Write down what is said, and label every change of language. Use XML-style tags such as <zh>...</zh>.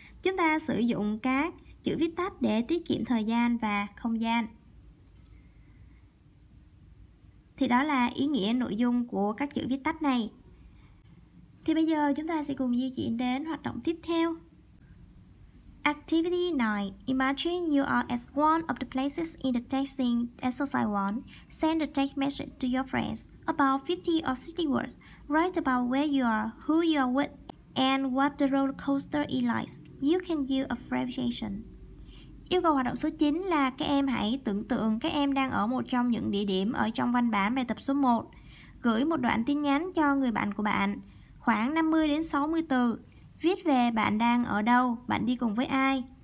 <vi>Chúng ta sử dụng các chữ viết tắt để tiết kiệm thời gian và không gian. Thì đó là ý nghĩa nội dung của các chữ viết tắt này. Thì bây giờ chúng ta sẽ cùng di chuyển đến hoạt động tiếp theo.</vi> <en>Activity 9. Imagine you are at one of the places in the texting exercise 1. Send a text message to your friends. About 50 or 60 words. Write about where you are, who you are with, and what the roller coaster is like. You can use a variation.</en> <vi>Yêu cầu hoạt động số 9 là các em hãy tưởng tượng các em đang ở một trong những địa điểm ở trong văn bản bài tập số 1. Gửi một đoạn tin nhắn cho người bạn của bạn, khoảng 50 đến 60 từ. Viết về bạn đang ở đâu, bạn đi cùng với ai.</vi>